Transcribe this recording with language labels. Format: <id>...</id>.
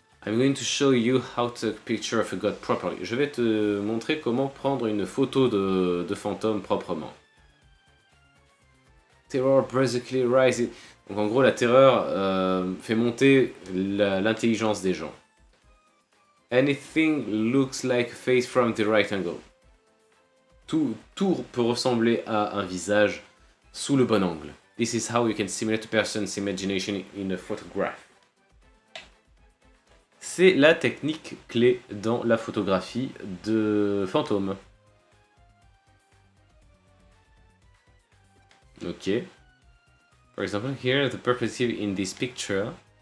<en>I'm going to show you how to take a picture of a god properly.</en> <fr>Je vais te montrer comment prendre une photo de fantôme proprement.</fr> <en>Terror basically rises.</en> <fr>Donc en gros, la terreur fait monter l'intelligence des gens.</fr> <en>Anything looks like a face from the right angle.</en> <fr>Tout peut ressembler à un visage sous le bon angle.</fr> <en>This is how you can simulate a person's imagination in a photograph.</en> <fr>C'est la technique clé dans la photographie de fantômes.</fr> <en>Ok. For example, here the perspective in this picture.</en>